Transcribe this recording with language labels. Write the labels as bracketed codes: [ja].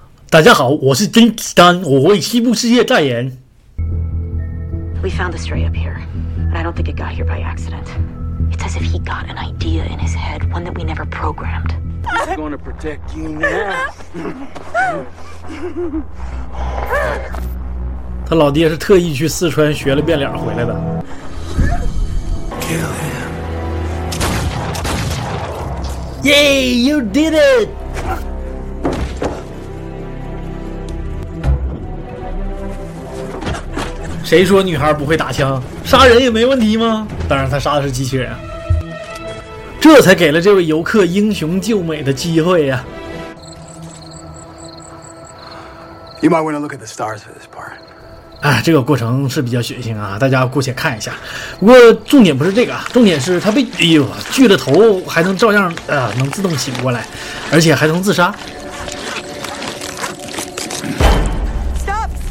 [zh] 大家好，我是丁斯丹，我为西部世界代言。 [en] We found the stray up here, but I don't think it got here by accident. It's as if he got an idea in his head, one that we never programmed. I'm going to protect you now. [zh] 他老爹是特意去四川学了变脸回来的。 [en] Yay, you did it! [zh] 谁说女孩不会打枪？杀人也没问题吗？当然，他杀的是机器人。这才给了这位游客英雄救美的机会呀。 [en] You might want to look at the stars for this part. [zh] 啊，这个过程是比较血腥啊，大家姑且看一下。不过重点不是这个，重点是他被锯了头，还能照样能自动醒过来，而且还能自杀。 [en] Stop!